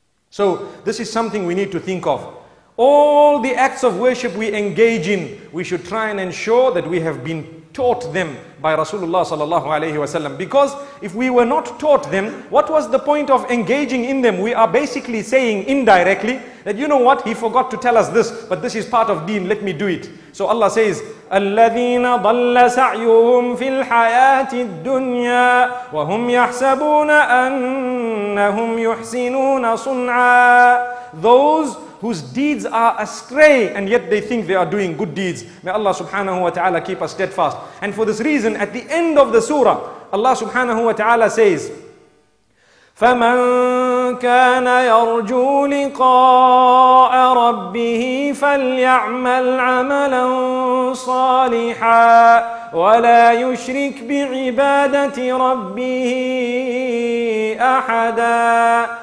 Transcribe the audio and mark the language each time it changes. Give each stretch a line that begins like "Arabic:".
English: So this is something we need to think of. All the acts of worship we engage in, we should try and ensure that we have been taught them by Rasulullah sallallahu alayhi wasallam. Because if we were not taught them, what was the point of engaging in them? We are basically saying indirectly that, you know what, he forgot to tell us this, but this is part of deen, let me do it. So Allah says,
Arabic: الَّذِينَ ضَلَّ سَعْيُهُمْ فِي الْحَيَاةِ الدُّنْيَا وَهُمْ يَحْسَبُونَ أَنَّهُمْ يُحْسِنُونَ صُنْعًا.
English: Those whose deeds are astray and yet they think they are doing good deeds. May Allah subhanahu wa ta'ala keep us steadfast. And for this reason, at the end of the surah, Allah subhanahu wa ta'ala says,
Arabic: فَمَن كَانَ يَرْجُو لِقَاءَ رَبِّهِ فَلْيَعْمَلْ عَمَلًا صَالِحًا وَلَا يُشْرِكْ بِعِبَادَةِ رَبِّهِ أَحَدًا.